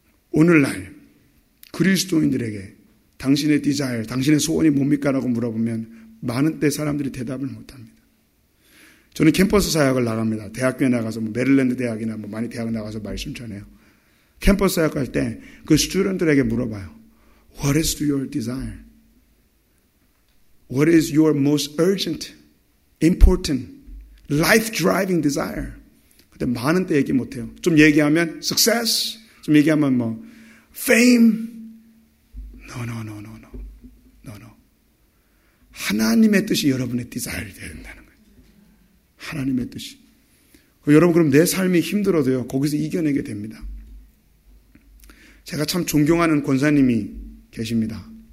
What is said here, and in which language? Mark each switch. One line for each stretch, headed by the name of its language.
Korean: 오늘날 그리스도인들에게 당신의 desire, 당신의 소원이 뭡니까? 라고 물어보면 많은 때 사람들이 대답을 못합니다. 저는 캠퍼스 사역을 나갑니다. 대학교에 나가서 뭐 메릴랜드 대학이나 뭐 많이 대학에 나가서 말씀 전해요. 캠퍼스 사역 갈 때 그 스튜던트들에게 물어봐요.
English: What is your desire? What is your most urgent, important, life-driving desire?
Korean: 근데 많은 때 얘기 못해요. 좀 얘기하면 success, 좀 얘기하면 뭐 fame.
English: No.
Korean: 하나님의 뜻이 여러분의 desire이 되어야 된다는 거예요. 하나님의 뜻이. 여러분 그럼 내 삶이 힘들어도요. 거기서 이겨내게 됩니다. 제가 참 존경하는 권사님이 계십니다.